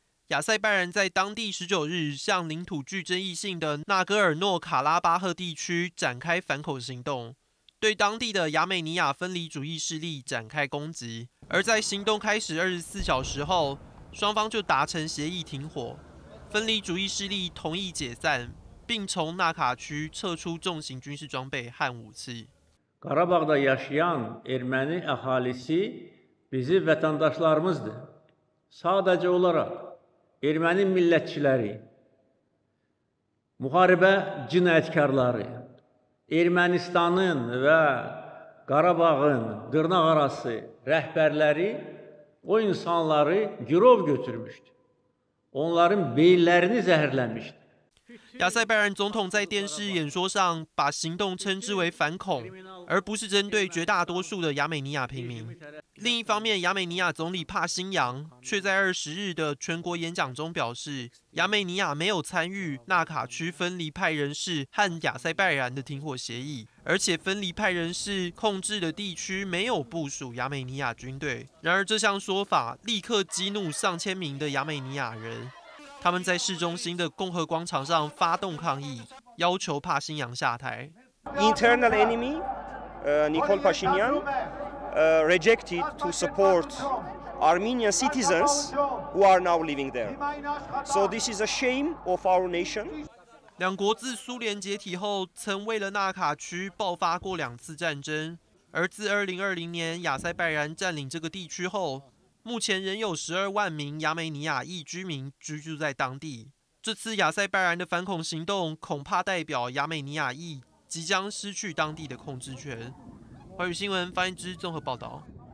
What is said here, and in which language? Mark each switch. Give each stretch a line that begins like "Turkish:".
Chinese: 亚塞拜然在当地19日向领土具争议性的纳戈尔诺卡拉巴赫地区展开反恐行动，对当地的亚美尼亚分离主义势力展开攻击。而在行动开始24小时后，双方就达成协议停火，分离主义势力同意解散，并从纳卡区撤出重型军事装备和武器。
Azerbaijani: Qarabağda yaşayan Erməni əhalisi bizim vətəndaşlarımızdır. Sadəcə olaraq Erməni millətçiləri, müharibə cinayətkarları, Ermənistanın və Qarabağın dırnaq arası rəhbərləri o insanları girov götürmüşdür. Onların beyinlərini zəhərləmişdir.
Chinese: 亚塞拜然总统在电视演说上把行动称之为反恐，而不是针对绝大多数的亚美尼亚平民。另一方面，亚美尼亚总理帕辛扬却在20日的全国演讲中表示，亚美尼亚没有参与纳卡区分离派人士和亚塞拜然的停火协议，而且分离派人士控制的地区没有部署亚美尼亚军队。然而，这项说法立刻激怒上千名的亚美尼亚人。他们在市中心的共和广场上发动抗议，要求帕辛扬下台。
English: Internal enemy, Nikol Pashinyan, rejected to support Armenian citizens who are now living there. So this is a shame of our nation.
Chinese: 两国自苏联解体后，曾为了纳卡区爆发过2次战争，而自2020年亚塞拜然占领这个地区后，目前仍有12万名亚美尼亚裔居民居住在当地。这次亚塞拜然的反恐行动，恐怕代表亚美尼亚裔即将失去当地的控制权。华语新闻发言之综合报道。